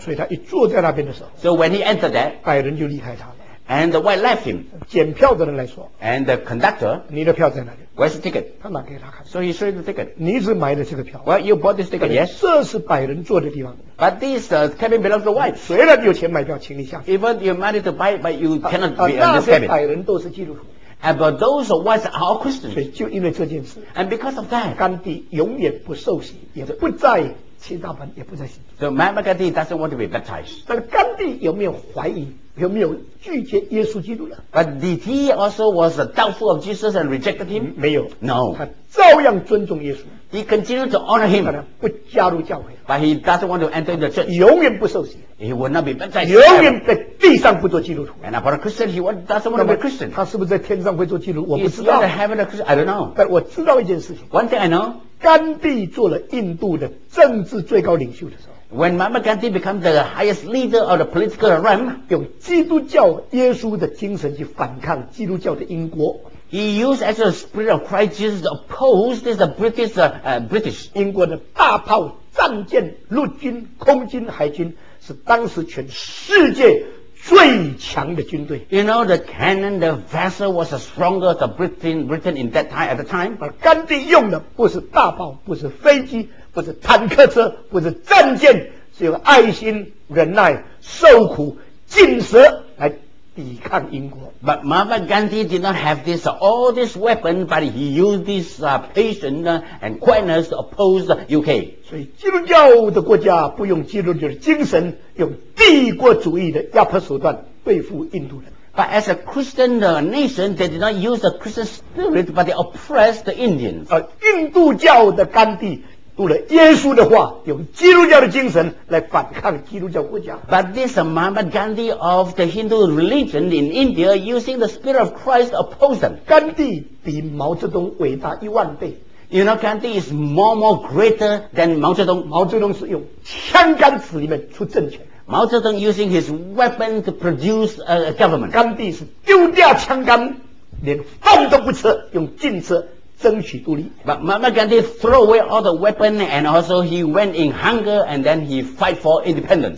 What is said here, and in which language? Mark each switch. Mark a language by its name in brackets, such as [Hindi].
[Chinese] 所以他一坐在那边的时候 [English] ，So when he entered that， [Chinese] 白人就离开他了。 [English] And the white left him。 [Chinese] 检票的人来说 [English] ，And the conductor， [Chinese] 你的票在哪里 [English] ？Where's the ticket？ [Chinese] 他拿给他看。 [English] So he showed the ticket。 [Chinese] 你是买的这个票 [English] ？Well, you bought this ticket. Yes。 [Chinese] 这是白人坐的地方。 [English] But this cabin belongs to white。 [Chinese] 虽然有钱买票，请你下去。 [English] Even you money to buy, but you cannot be in this cabin。 [Chinese] 那些白人都是基督徒。 [English] But those of us are all Christians. [Chinese] 所以就因为这件事 [English] ，and because of that, [Chinese] 甘地永远不受洗，也不在七大班，也不在信徒。 [English] So Mahatma Gandhi doesn't want to be baptized. [Chinese] 但甘地有没有怀疑有没有拒绝耶稣基督呢？ [English] But did he also was a doubtful of Jesus and rejected him? [Chinese] 没有。 [English] No. [Chinese] 他照样尊重耶稣。 [English] He continued to honor him. [Chinese] 不加入教会。 [English] But he doesn't want to enter the church. [Chinese] 永远不受洗。 [English] He will not be baptized. [Chinese] 永远在地上不做基督徒。 [English] And about a Christian, he doesn't want to be a Christian. [Chinese] 他是不是在天上会做基督徒？我不知道。 [English] Is he in heaven a Christian? I don't know. [Chinese] But 我知道一件事情。 [English] One thing I know. [Chinese] 甘地做了印度的政治最高领袖的时候。 [English] When Mahatma Gandhi became the highest leader of the political realm, [Chinese] 用基督教耶稣的精神去反抗基督教的英国。 [English] He used as a spirit of Christ Jesus to oppose this British, British. [Chinese] 英国的大炮、战舰、陆军、空军、海军是当时全世界最强的军队。 [English] You know, the cannon, the vessel was stronger than Britain in that time, at the time. [Chinese] 而甘地用的不是大炮，不是飞机。不是坦克车，不是战舰，是用爱心、忍耐、受苦、禁食来抵抗英国。 [English] But Mahatma Gandhi did not have this all this weapon, but he used this patience and quietness to oppose the UK. [Chinese] 所以基督教的国家不用基督教的精神，用帝国主义的压迫手段对付印度人。 [English] But as a Christian nation, they did not use the Christian spirit, but they oppressed the Indians. [Chinese] 印度教的甘地。读了耶稣的话，用基督教的精神来反抗基督教国家。 [English] But this Mahatma Gandhi of the Hindu religion in India using the spirit of Christ opposed them. [Chinese] 甘地比毛泽东伟大一万倍。 [English] You know, Gandhi is more greater than 毛泽东。 [Chinese] 毛泽东是用枪杆子里面出政权。 [English] 毛泽东 using his weapon to produce a government. [Chinese] 甘地是丢掉枪杆，连饭都不吃，用禁食。争取独立。 [English] But Mahatma Gandhi threw away all the weapons and also he went in hunger and then he fight for independence.